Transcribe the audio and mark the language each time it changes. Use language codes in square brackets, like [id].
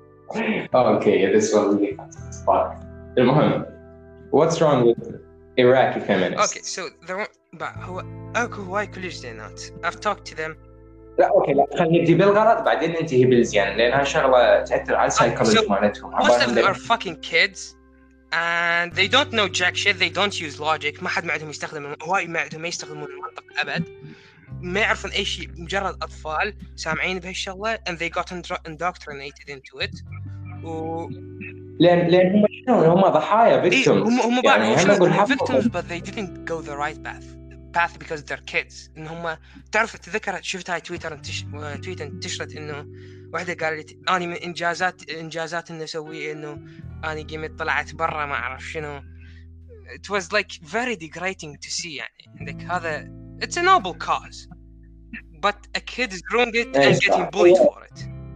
[en] Okay. This was really fun. المهم. What's wrong with Iraqi feminists? Okay. So the [ar] هو أكو هواي كلش زينات. [en] I've talked to them. [ar] لا اوكي لا خلينا نبدي بالغلط بعدين ننتهي بالزيان، لان هاي شغله تاثر على السايكولوجي مالتهم. [en] Most of them are fucking kids and they don't know jack shit. They don't use logic. [ar] ما حد معدهم يستخدم، هواي معدهم ما يستخدمون المنطق ابد، ما يعرفون اي شيء، مجرد اطفال سامعين بهالشغله. [en] And they got indoctrinated into it. و [ar] لان هم شلون هم ضحايا victims. هم يعني هم يقول [en] victims but they didn't go the right path because they're kids. [ar] إن هما تعرف تذكر شفت هاي تويتر انتشرت إنه واحدة قالت أنا من إنجازات إنه سوي إنه أنا قمت طلعت برا ما أعرف شنو. [en] It was like very degrading to see يعني like هذا it's a noble cause but a kid is ruined it and getting bullied for it.